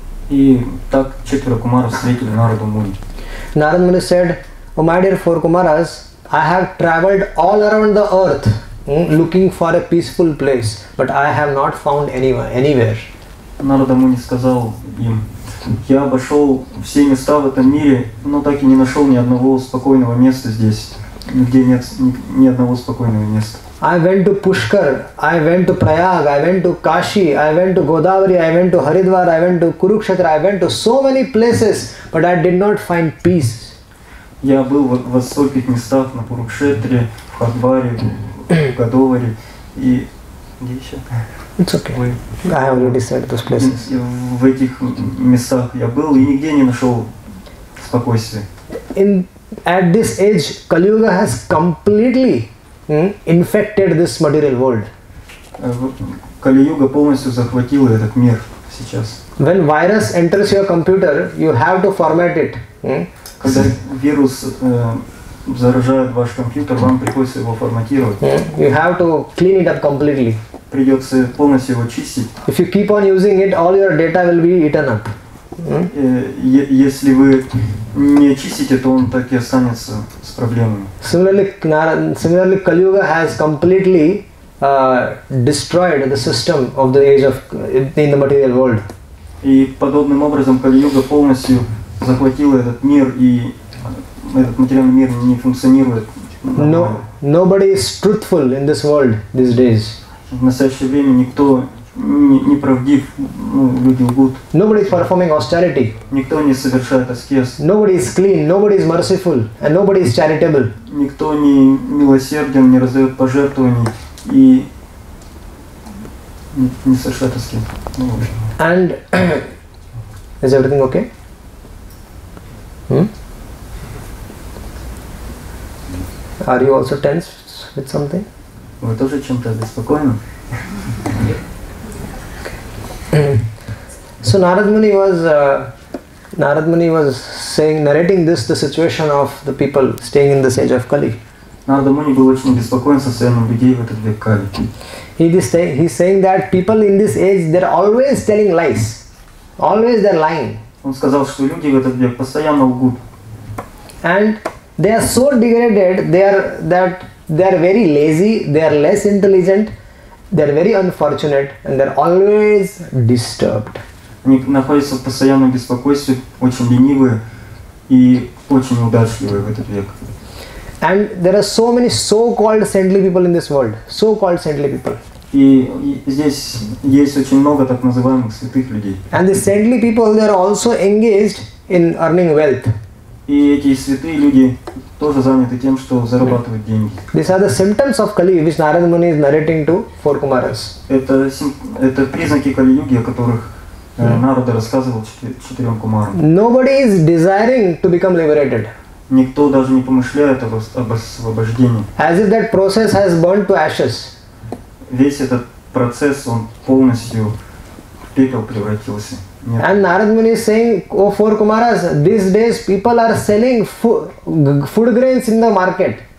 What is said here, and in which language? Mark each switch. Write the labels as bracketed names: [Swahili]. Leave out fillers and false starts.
[Russian] И так четверо кумаров встретили Нараду Муни. [English] Narad Muni said, "Oh my dear four kumaras, I have traveled all around the earth looking for a peaceful place, but I have not found anywhere." [Russian] Narada Muni сказал им, я обошел все места в этом мире, но так и не нашел ни одного спокойного места здесь. [English] I went to Pushkar, I went to Prayag, I went to Kashi, I went to Godavari, I went to Haridwar, I went to Kurukshetra, I went to so many places, but I did not find peace. [Russian] Я был в высоких местах на Курукшетре, в Хардваре, в Годоваре и где еще? [English] It's okay. I already said those places. [Russian] В этих местах я был и нигде не нашел спокойствия. [English] In at this age, Kaliyuga has completely infected this material world. [Russian] Kaliyuga полностью захватила этот мир сейчас. [English] When virus enters your computer, you have to format it. [Russian] Когда вирус заражает ваш компьютер, вам приходится его форматировать. [English] You have to clean it up completely. [Russian] Придется полностью его чистить. [English] If you keep on using it, all your data will be eaten up. [Russian] Если вы не чистите, то он так и останется с проблемами. [English] Similarly, Kaliyuga has completely destroyed the system of the age of in the material world. [Russian] И подобным образом Kaliyuga полностью захватил этот мир, и этот материальный мир не функционирует. [English] No, nobody is truthful in this world these days. [Russian] В настоящее время никто не правдив, ну, люди лгут. [English] Nobody is performing austerity. [Russian] Никто не совершает аскез. [English] Nobody is clean, nobody is merciful, and nobody is charitable. [Russian] Никто не милосерден, не раздает пожертвований и не совершает аскез. [English] And is everything okay? Are you also tense with something? [Russian] Вы тоже чем-то беспокойны? [English] So Narad Muni was saying, narrating this, the situation of the people staying in this age of Kali. [Russian] Narad Muni был очень беспокоен со своим людей в этот век Кали. [English] He's saying that people in this age, they're always telling lies. Always they're lying. [Russian] Он сказал, что люди в этот век постоянно лгут. [English] And they are so degraded, they are very lazy, they are less intelligent, they are very unfortunate, and they are always disturbed. [Russian] Они находятся в постоянном беспокойстве, очень ленивые и очень удачливые в этот век. [English] And there are so many so-called saintly people in this world, so-called saintly people. [Russian] И здесь есть очень много так называемых святых людей. [English] And the saintly people, they are also engaged in earning wealth. [Russian] И эти святые люди тоже заняты тем, что зарабатывают деньги. [English] These are the symptoms of Kali, which Narad Muni is narrating to four Kumaras. [Russian] Это признаки Кали-юги, о которых Нарада рассказывал четырем Кумарам. [English] Nobody is desiring to become liberated. [Russian] Никто даже не помышляет об освобождении. [English] As if that process has burned to ashes. [Russian] Весь этот процесс, он полностью в пепел превратился. [English] Yep. And Narad Muni is saying, O four Kumaras, these days people are selling food grains in the market.